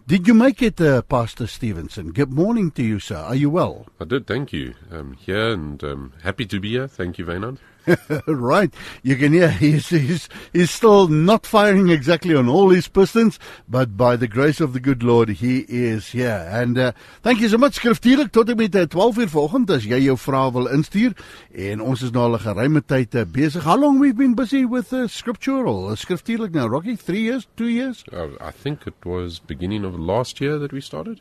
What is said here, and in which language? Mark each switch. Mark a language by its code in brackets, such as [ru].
[en] Did you make it, Pastor Stevenson? Good morning to you, sir. Are you well? I did, thank you. I'm here and happy to be here. Thank you, Vaynard. Right. You can hear he's still not firing exactly on all his pistons, but by the grace of the good Lord, he is here. And thank you so much, [af] Skriftuurlik. Tot en met 12 uur vanoggend, as jy jou vraag wil instuur. En ons is nou al 'n geruime tyd besig. [en] How long we've been busy with the scriptural? Skriftuurlik now, Rocky? 3 years? 2 years? I think it was beginning of last year that we started.